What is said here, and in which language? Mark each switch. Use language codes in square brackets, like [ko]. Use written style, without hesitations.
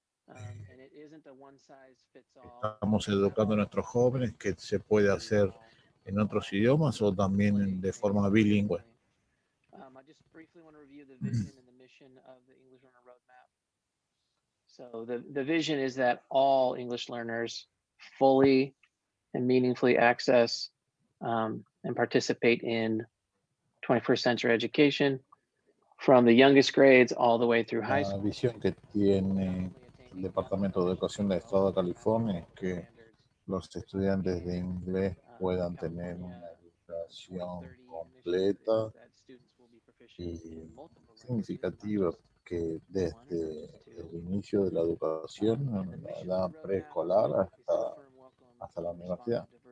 [en] And it isn't a one size fits all. [es] Estamos educando a nuestros jóvenes que se puede hacer en otros idiomas o también de forma bilingüe. [en] I just briefly want to review the vision and the mission of the English Learner Roadmap. So the vision is that all English learners fully and meaningfully access and participate in 21st century education from the youngest grades all the way through high school. [es] La visión que tiene el Departamento de Educación del Estado de California es que los estudiantes de inglés puedan tener una educación completa y significativa, que desde el inicio de la educación, en la edad preescolar hasta la universidad.